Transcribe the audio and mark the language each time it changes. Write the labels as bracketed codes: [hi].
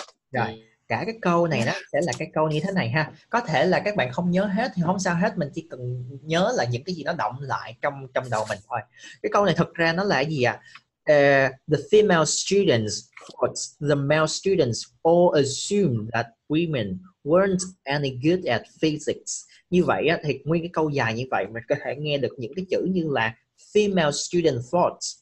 [vi] Rồi, cả cái câu này đó sẽ là cái câu như thế này ha. Có thể là các bạn không nhớ hết thì không sao hết, mình chỉ cần nhớ là những cái gì nó động lại trong trong đầu mình thôi. Cái câu này thật ra nó là cái gì ạ? [en] The female students thought the male students all assumed that women weren't any good at physics. [vi] Như vậy á, thì nguyên cái câu dài như vậy mình có thể nghe được những cái chữ như là [en] female student thought.